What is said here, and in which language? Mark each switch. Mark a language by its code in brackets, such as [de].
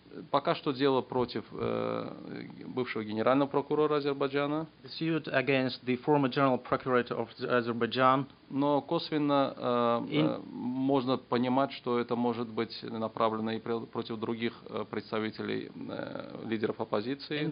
[ru] Пока что дело против бывшего генерального прокурора Азербайджана. [en] The suit against the former general procurator of Azerbaijan. [ru] Но косвенно можно понимать, что это может быть направлено и против других представителей лидеров оппозиции.